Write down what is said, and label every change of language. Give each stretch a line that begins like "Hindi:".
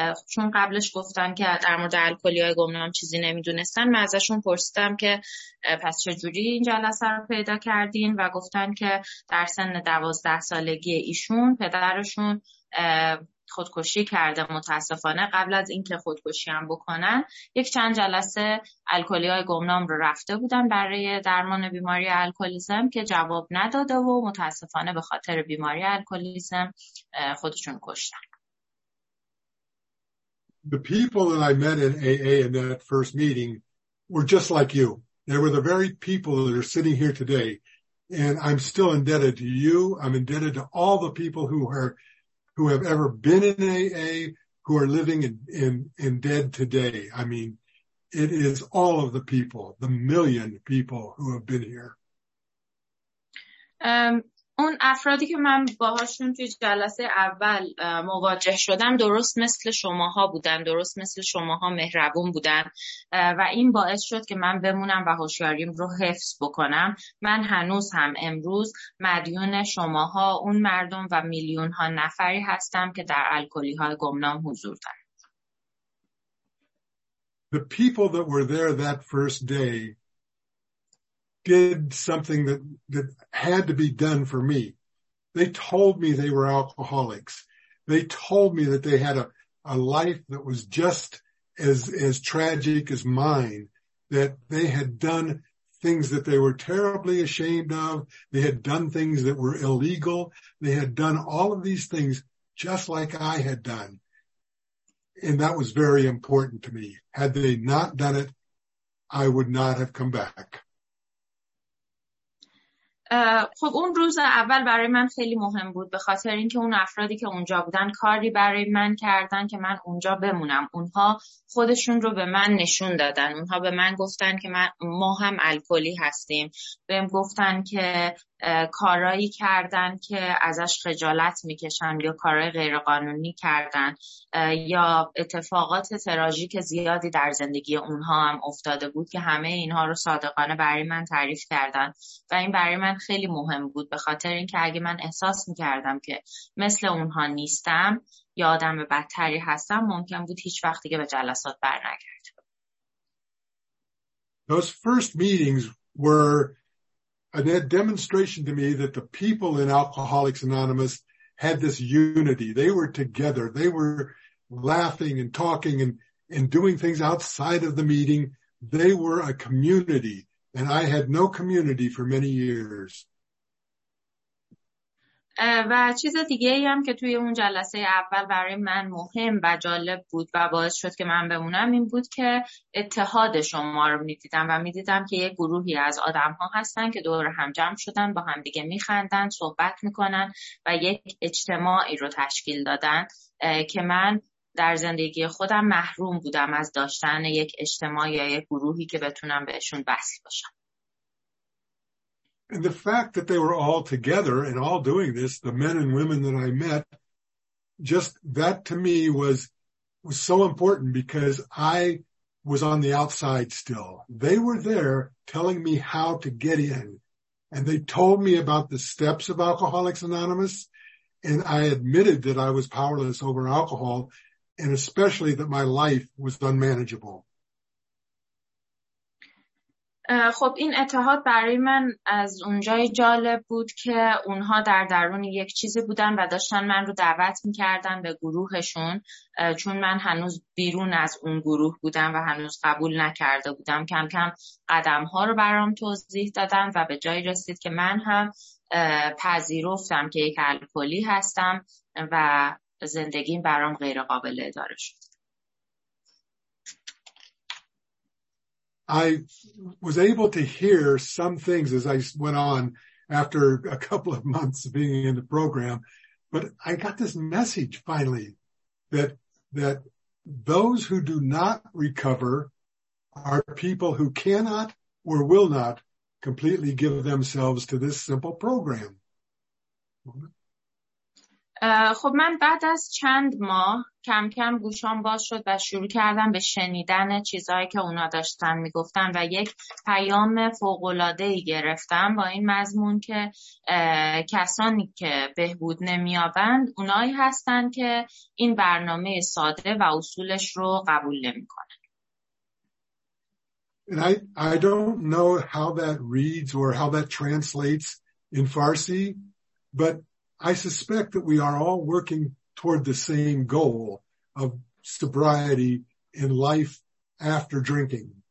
Persian: چون قبلش گفتن که در مورد الکلی‌های گمنام چیزی نمی‌دونستن، من ازشون پرسیدم که پس چجوری این جلسه رو پیدا کردین و گفتن که در سن 12 سالگی ایشون پدرشون خودکشی کرده متاسفانه. قبل از اینکه خودکشی هم بکنن یک چند جلسه الکلی‌های گمنام رو رفته بودن برای درمان بیماری الکلیسم که جواب نداده و متاسفانه به خاطر بیماری الکلیسم خودشون کشتن.
English: The people that I met in AA in that first meeting were just like you. They were the very people that are sitting here today. And I'm still indebted to you. I'm indebted to all the people who have ever been in AA, who are living and dead today. I mean, it is all of the people, the million people who have been here.
Persian: اون افرادی که من باهاشون توی جلسه اول مواجه شدم درست مثل شماها بودن، درست مثل شماها مهربون بودن و این باعث شد که من بمونم و هوشیاریم رو حفظ بکنم. من هنوز هم امروز مدیون شماها، اون مردم و میلیون ها نفری هستم که در الکلی های گمنام حضور دارن.
English: The people that were there that first day did something that had to be done for me. They told me they were alcoholics. They told me that they had a life that was just as tragic as mine, that they had done things that they were terribly ashamed of. They had done things that were illegal. They had done all of these things just like I had done. And that was very important to me. Had they not done it, I would not have come back.
Persian: خب اون روز اول برای من خیلی مهم بود به خاطر اینکه اون افرادی که اونجا بودن کاری برای من کردن که من اونجا بمونم. اونها خودشون رو به من نشون دادن، اونها به من گفتن که ما هم الکلی هستیم، بهم گفتن که کارایی کردن که ازش خجالت میکشن یا کارای غیرقانونی کردن یا اتفاقات تراژیک زیادی در زندگی اونها هم افتاده بود که همه اینها رو صادقانه برای من تعریف کردن و این برای من خیلی مهم بود به خاطر اینکه اگه من احساس میکردم که مثل اونها نیستم یا آدم بدتری هستم، ممکن بود هیچ وقت دیگه به جلسات برنگردم.
English: Those first meetings were a demonstration to me that the people in Alcoholics Anonymous had this unity. They were together. They were laughing and talking and doing things outside of the meeting. They were a community, and I had no community for many years.
Persian: و چیز دیگه ای هم که توی اون جلسه اول برای من مهم و جالب بود و باعث شد که من بمونم این بود که اتحاد شما رو میدیدم و میدیدم که یک گروهی از آدم ها هستن که دور هم جمع شدن، با هم دیگه میخندن، صحبت میکنن و یک اجتماعی رو تشکیل دادن که من در زندگی خودم محروم بودم از داشتن یک اجتماع یا یک گروهی که بتونم بهشون وصل باشم.
English: And the fact that they were all together and all doing this, the men and women that I met, just that to me was so important because I was on the outside still. They were there telling me how to get in. And they told me about the steps of Alcoholics Anonymous. And I admitted that I was powerless over alcohol and especially that my life was unmanageable.
Persian: خب این اتحاد برای من از اونجای جالب بود که اونها در درون یک چیزی بودن و داشتن من رو دعوت میکردن به گروهشون، چون من هنوز بیرون از اون گروه بودم و هنوز قبول نکرده بودم. کم کم قدمها رو برام توضیح دادم و به جایی رسید که من هم پذیرفتم که یک الکلی هستم و زندگیم برام غیر قابل اداره شد.
English: I was able to hear some things as I went on after a couple of months of being in the program, but I got this message finally that those who do not recover are people who cannot or will not completely give themselves to this simple program.
Persian: خب من بعد از چند ماه کم کم گوشام باز شد و شروع کردم به شنیدن چیزهایی که اونا داشتن میگفتن و یک پیام فوق‌العاده‌ای گرفتم با این مضمون که کسانی که بهبود نمیابند اونایی هستن که این برنامه ساده و اصولش رو قبول نمی‌کنن.
English: And I don't know how that reads or how that translates in Farsi, but I suspect that we are all working toward the same goal of sobriety in life after drinking.